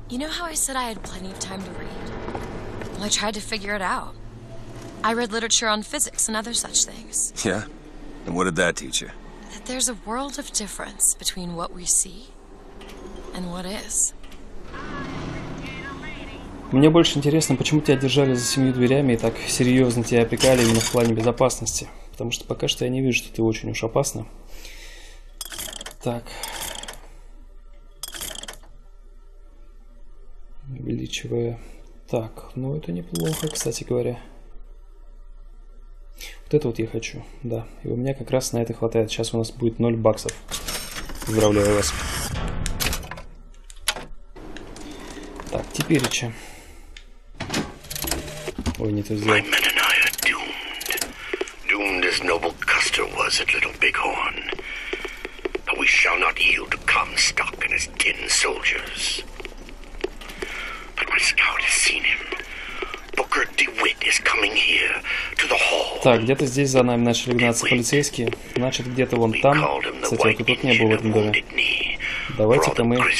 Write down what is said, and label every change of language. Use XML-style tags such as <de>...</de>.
<en>You know how I said I had plenty of time to read? Well, I tried to figure it out. I read literature on physics and other such things. Yeah? And what did that teach you? That there's a world of difference between what we see and what is.</en> <ru>Мне больше интересно, почему тебя держали за семью дверями и так серьезно тебя опекали именно в плане безопасности. Потому что пока что я не вижу, что ты очень уж опасна. Так. Увеличивая. Так, ну это неплохо, кстати говоря. Вот это вот я хочу, да. И у меня как раз на это хватает. Сейчас у нас будет 0 баксов. Поздравляю вас. Так, теперь че? Ой, не то сделал.</ru> <en>My men and I are doomed. Doomed as noble Custer was at Little Bighorn. But we shall not yield to Comstock and his tin soldiers. My scout has seen him. Booker DeWitt is coming here to the hall.</en> <ru>Так, где-то здесь за нами начали гнаться полицейские. Значит, где-то вон там. Кстати, вот тут не было в этом доме. Давайте-ка мы.</ru>